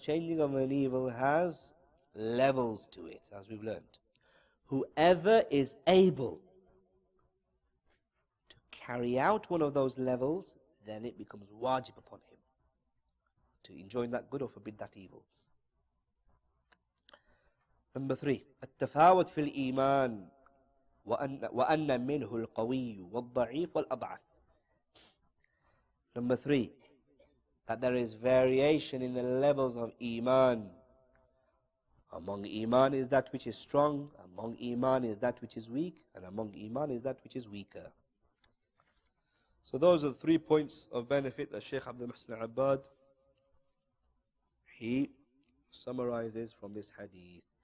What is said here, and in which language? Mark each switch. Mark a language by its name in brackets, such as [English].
[English] Changing of an evil has levels to it, as we've learned. Whoever is able to carry out one of those levels, then it becomes wajib upon him to enjoin that good or forbid that evil. Number three, [Arabic] التفاوت في الإيمان وأن منه القوي والضعيف والأضعف. [English] Number three, that there is variation in the levels of Iman. Among Iman is that which is strong, among Iman is that which is weak, and among Iman is that which is weaker. So those are the three points of benefit that Shaykh Abdul Muhsin Abbad, he summarizes from this hadith.